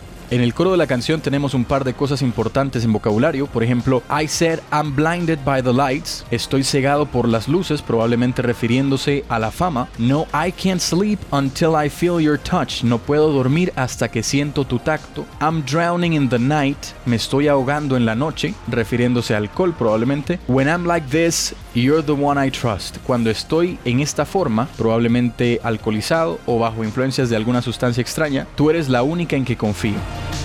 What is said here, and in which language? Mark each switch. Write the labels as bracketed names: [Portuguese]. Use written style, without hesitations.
[Spanish] En el coro de la canción tenemos un par de cosas importantes en vocabulario. Por ejemplo, [English] I said I'm blinded by the lights. [Spanish] Estoy cegado por las luces, probablemente refiriéndose a la fama. [English] No, I can't sleep until I feel your touch. [Spanish] No puedo dormir hasta que siento tu tacto. [English] I'm drowning in the night. [Spanish] Me estoy ahogando en la noche, refiriéndose al alcohol probablemente. [English] When I'm like this, you're the one I trust. [Spanish] Cuando estoy en esta forma, probablemente alcoholizado o bajo influencias de alguna sustancia extraña, tú eres la única en que confío.